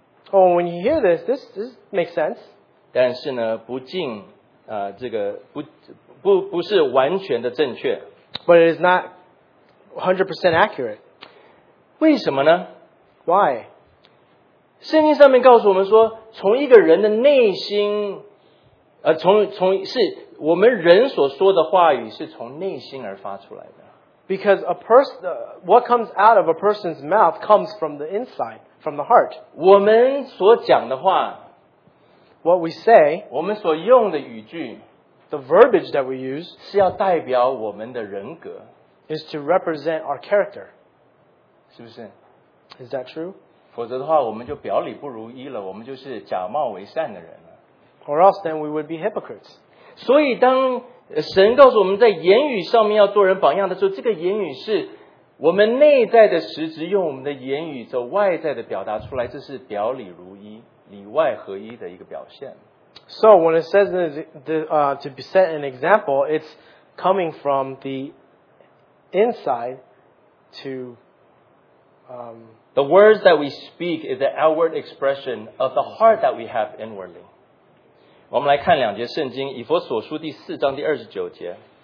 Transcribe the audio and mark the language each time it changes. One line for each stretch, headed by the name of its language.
English: Oh, when you hear this, this makes sense.
Chinese: 但是呢，不尽这个不是完全的正确。
English: But it is not 100% accurate.
Chinese: 为什么呢？
English: Why?
Chinese: 圣经上面告诉我们说，从一个人的内心，从是我们人所说的话语是从内心而发出来的。
English: Because a person, what comes out of a person's mouth comes from the inside, from the heart.
Chinese: 我们所讲的话，
English: what we say,
Chinese: 我们所用的语句。
English: The verbiage that we use
Chinese: 是要代表我们的人格
English: is to represent our character.
Chinese: 是不是？
English: Is that true?
Chinese: 否则的话，我们就表里不如一了，我们就是假冒为善的人了。
English: Or else then we would be hypocrites.
Chinese: 所以当神告诉我们在言语上面要做人榜样的时候，这个言语是我们内在的实质，用我们的言语做外在的表达出来，这是表里如一，里外合一的一个表现。
English: So when it says to be set an example, it's coming from the inside to... The words that we speak is the outward expression of the heart that we have inwardly.
Chinese: 我们来看两节圣经，以弗所书第四章第二十九节。